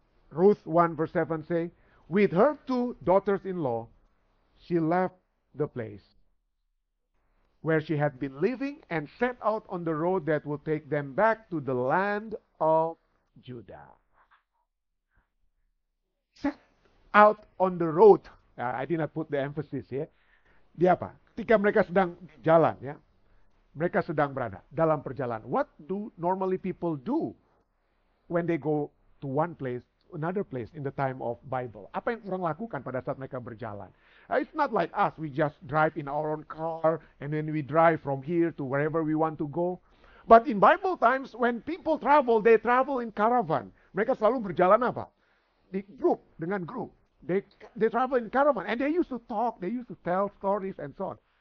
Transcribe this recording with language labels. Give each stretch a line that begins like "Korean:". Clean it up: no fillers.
English: Ruth 1 verse 7 say, with her two daughters-in-law, she left the place where she had been living, and set out on the road that would take them back to the land of Judah. Set out on the road. I did not put the emphasis here.
Indonesian: Di apa? Ketika mereka sedang jalan, ya. Mereka sedang berada dalam perjalanan.
English: What do normally people do when they go to one place, another place in the time of Bible?
Indonesian: Apa yang orang lakukan pada saat mereka berjalan?
English: It's not like us. We just drive in our own car and then we drive from here to wherever we want to go. But in Bible times, when people travel, they travel in caravan.
Indonesian: Mereka selalu berjalan apa? Di group, dengan group.
English: They travel in caravan and they used to talk, they used to tell stories and so on.